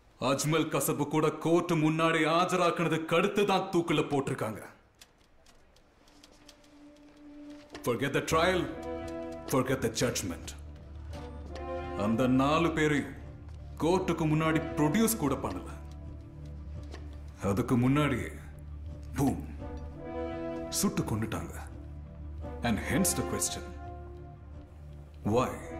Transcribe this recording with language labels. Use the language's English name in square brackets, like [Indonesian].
[Tamil] அஜ்மல் கசபு கூட கோர்ட் முன்னாடி ஆஜராக்குனது கடுத்து தான் தூக்குல போட்டிருக்காங்க. [English] Forget the trial, forget the judgment. [Tamil] அந்த 4 பேரையும் கோர்ட்டுக்கு முன்னாடி ப்ரொடியூஸ் கூட பண்ணல. அதுக்கு முன்னாடியே பூம் சுட்டு கொண்டுட்டாங்க. [English] And hence the question, why?